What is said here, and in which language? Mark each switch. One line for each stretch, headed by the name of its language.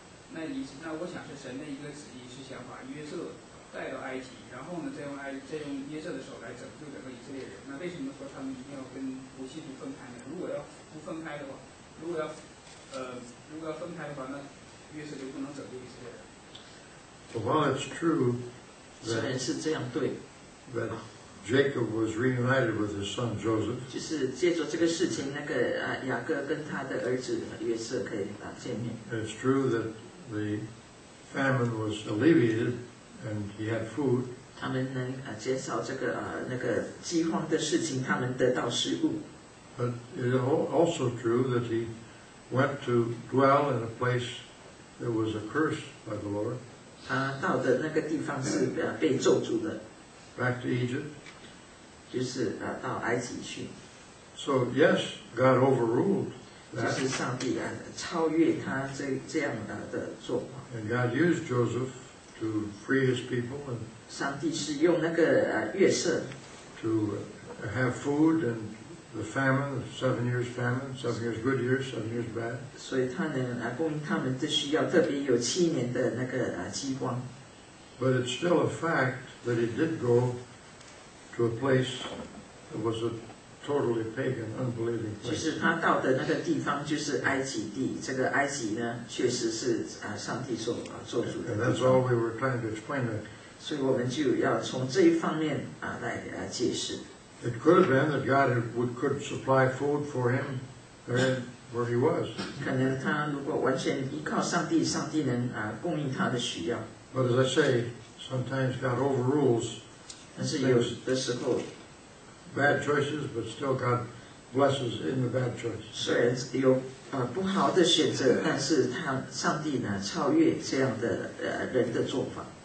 Chinese: 那我想是神的一个旨意，是想把约瑟带到埃及，然后呢，再用约瑟的手来拯救整个以色列人。那为什么说他们一定要跟不信徒分开呢？如果要不分开的话，如果要分开的话，那约瑟就不能拯救以色列人。
English: Well, while it's true,
Chinese: 虽然是这样对
English: ，that Jacob was reunited with his son Joseph，
Chinese: 就是借助这个事情，那个雅各跟他的儿子约瑟可以见面。
English: It's true that the famine was alleviated and he had food.
Chinese: 他们能减少这个那个饥荒的事情，他们得到食物。
English: But it is also true that he went to dwell in a place that was accursed by the Lord.
Chinese: 他到的那个地方是被咒诅的。
English: Back to Egypt.
Chinese: 就是到埃及去。
English: So yes, God overruled. That.
Chinese: 就是上帝超越他这样的做法。
English: And God used Joseph to free his people. And
Chinese: 上帝是用那个约瑟
English: to have food and the famine, the 7 years famine, 7 years good years, 7 years bad.
Chinese: 所以他能供应他们，这需要特别有七年的那个饥荒。
English: But it's still a fact that he did go to a place that was a totally pagan, unbelieving place.
Chinese: 其实他到的那个地方就是埃及地，这个埃及呢，确实是上帝所做主的地方。
English: And that's all we were trying to explain it.
Chinese: 所以我们就要从这一方面来解释。
English: It could have been that God could supply food for him where he was.
Chinese: 可能他如果完全依靠上帝，上帝能供应他的需要。
English: But as I say, sometimes God overrules.
Chinese: 但是有的时候，
English: bad choices, but still God blesses in the bad choices.
Chinese: 虽然有不好的选择，但是他上帝呢超越这样的人的做法。